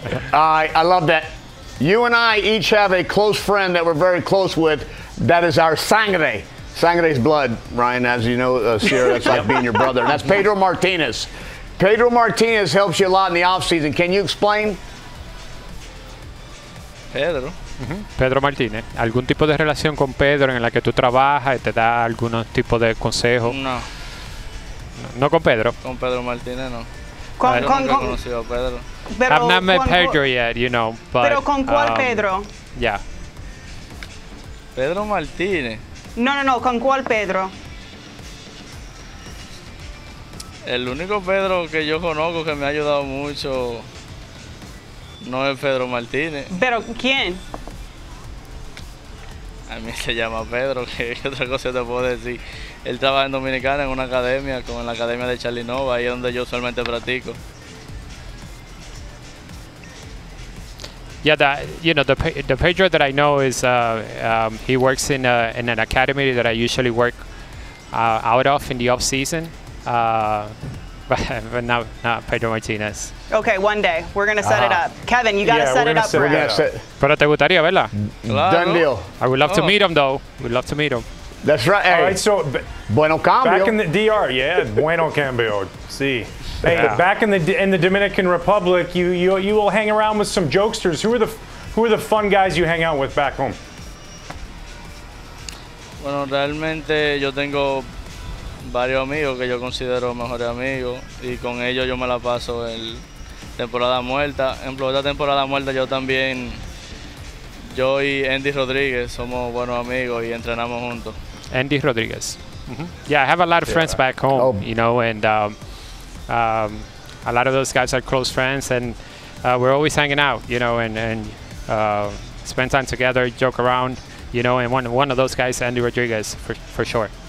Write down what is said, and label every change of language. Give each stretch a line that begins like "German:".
English: I love that. You and I each have a close friend that we're very close with. That is our sangre. Sangre's blood, Ryan, as you know, Sierra, it's like being your brother. And that's Pedro Martinez. Pedro Martinez helps you a lot in the offseason. Can you explain? Pedro. Mm-hmm. Pedro Martinez.
Spanish: ¿Algún tipo de relación con Pedro en la que tú trabajas y te da algún tipo de consejo? No. No con Pedro. Con Pedro Martínez, no. Con Pedro.
English: I've not met Pedro yet, you know. But,
Spanish: pero con cuál Pedro?
English: Yeah.
Spanish: Pedro Martínez. No. Con cuál Pedro? El único Pedro que yo conozco que me ha ayudado mucho no es Pedro Martínez. Pero ¿quién? A mí se llama Pedro, que otra cosa te puedo decir. Él trabaja en Dominicana en una academia, como en la academia de Charlinova, ahí es donde yo usualmente practico.
English: Yeah, the Pedro that I know is he works in an academy that I usually work out of in the off season. But not Pedro Martinez. Okay, one day we're gonna set it up. Kevin, you gotta set it up.
Spanish: Pero te gustaría, ¿verdad? Claro.
English: Done deal. I would love to meet him, though. We'd love to meet him. That's right. All right, so
Spanish: bueno cambio.
English: Back in the DR, yeah,
Spanish: bueno cambio. Sí.
English: Hey, yeah. Back in the Dominican Republic, you will hang around with some jokesters. Who are the fun guys you hang out with back home?
Spanish: Bueno, realmente yo tengo varios amigos que yo considero mejores amigos y con ellos yo me la paso en temporada muerta. En la temporada muerta yo y Andy Rodríguez somos buenos amigos y entrenamos juntos.
English: Andy Rodríguez. Mm-hmm. Yeah, I have a lot of friends back home, you know, and a lot of those guys are close friends, and we're always hanging out, you know, and spend time together, joke around, you know, and one of those guys, Andy Rodríguez, for sure.